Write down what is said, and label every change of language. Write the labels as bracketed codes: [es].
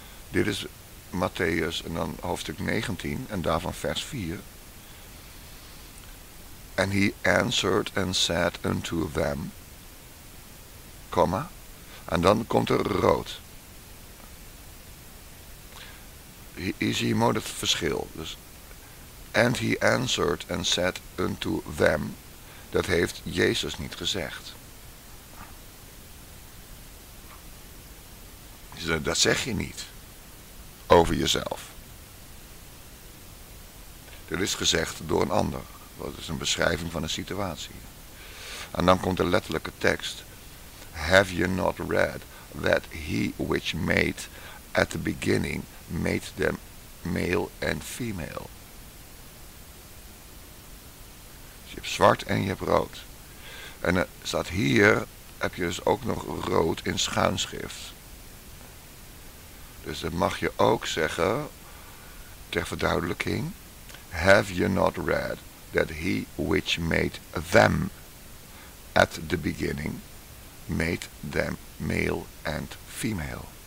[nl] Dit is Matthäus en dan hoofdstuk 19 en daarvan vers 4. [en] En he answered and said unto them, comma, [nl] en dan komt er rood. Je ziet mooi het verschil. [en] Dus, and he answered and said unto them. [nl] Dat heeft Jezus niet gezegd. Dat zeg je niet. Over jezelf. Dat is gezegd door een ander. Dat is een beschrijving van een situatie. En dan komt de letterlijke tekst. [en] Have you not read that he which made at the beginning made them male and female. [nl] Dus je hebt zwart en je hebt rood. En staat hier, heb je dus ook nog rood in schuinschrift. Dus dat mag je ook zeggen, ter verduidelijking. [en] Have you not read that he which made them at the beginning made them male and female?